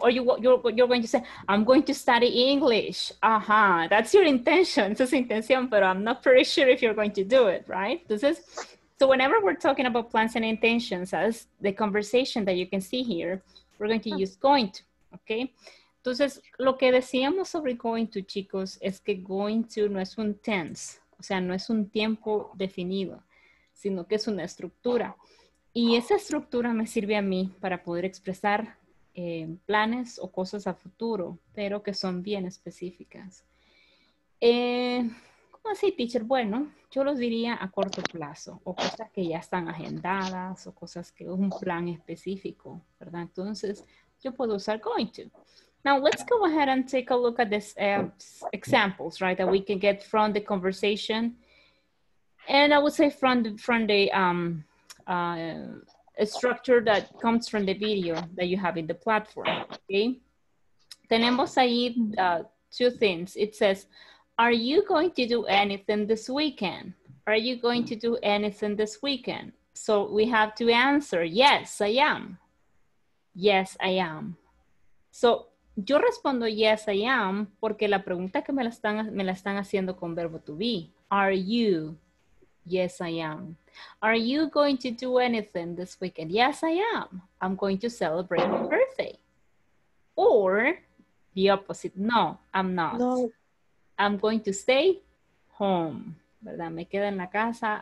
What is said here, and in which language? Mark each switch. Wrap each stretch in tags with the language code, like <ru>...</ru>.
<en>Or you're going to say, I'm going to study English. Ajá, that's your intention. Esa es su intención, pero I'm not pretty sure if you're going to do it, right? Entonces, so whenever we're talking about plans and intentions, as the conversation that you can see here, we're going to use going to, okay?</en> <es>Entonces, lo que decíamos sobre going to, chicos, es que going to no es un tense, o sea, no es un tiempo definido, sino que es una estructura. Y esa estructura me sirve a mí para poder expresar planes o cosas a futuro, pero que son bien específicas. ¿Cómo así, teacher? Bueno, yo los diría a corto plazo, o cosas que ya están agendadas, o cosas que es un plan específico, ¿verdad? Entonces, yo puedo usar going to.</es> <en>Now, let's go ahead and take a look at these examples, right, that we can get from the conversation. And I would say from the structure that comes from the video that you have in the platform, okay? Tenemos ahí two things. It says, are you going to do anything this weekend? Are you going to do anything this weekend? So we have to answer, yes, I am. Yes, I am.</en> <es>So yo respondo yes, I am, porque la pregunta que me la están haciendo con verbo to be.</es> <en>Are you? Yes, I am. Are you going to do anything this weekend? Yes, I am. I'm going to celebrate my birthday. Or the opposite. No, I'm not. No.</en> <es>I'm going to stay home. ¿Verdad? Me quedo en la casa.</es>